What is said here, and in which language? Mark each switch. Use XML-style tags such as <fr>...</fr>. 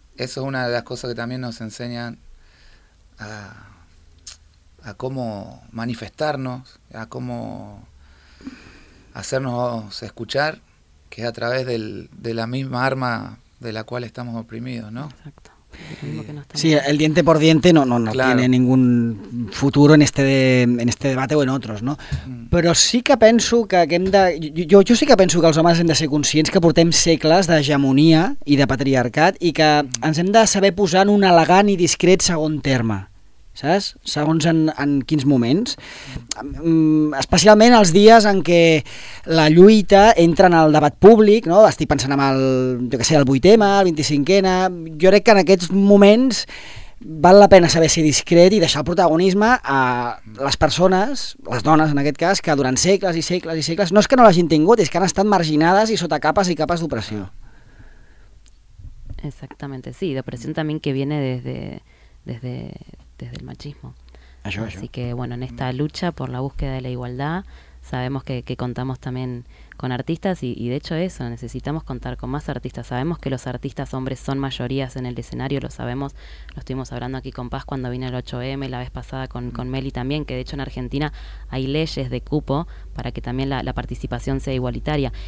<es>Eso es una de las cosas que también nos enseñan a cómo manifestarnos, a cómo hacernos escuchar, que es a través de la misma arma de la cual estamos oprimidos, ¿no? Exacto. Sí, el diente por diente no claro. tiene ningún futuro en este debate o en otros, ¿no?</es> <ca>Però sí que penso que hem de... Jo sí que penso que els homes hem de ser conscients que portem segles d'hegemonia i de patriarcat i que ens hem de saber posar en un elegant i discret segon terme, saps? Segons en quins moments. Especialment els dies en què la lluita entra en el debat públic, no? Estic pensant en el 8M, el 25N. Jo crec que en aquests moments val la pena saber ser discret i deixar el protagonisme a les persones, les dones en aquest cas, que durant segles i segles i segles, no és que no l'hagin tingut, és que han estat marginades i sota capes i capes d'opressió. Exactament, sí, d'opressió també</ca> <es>que viene desde el machismo. Así que bueno, en esta lucha por la búsqueda de la igualdad, sabemos que contamos también con artistas y de hecho eso, necesitamos contar con más artistas. Sabemos que los artistas hombres son mayorías en el escenario, lo sabemos, lo estuvimos hablando aquí con Paz cuando vino el 8M, la vez pasada con Meli también, que de hecho en Argentina hay leyes de cupo para que también la participación sea igualitaria.</es>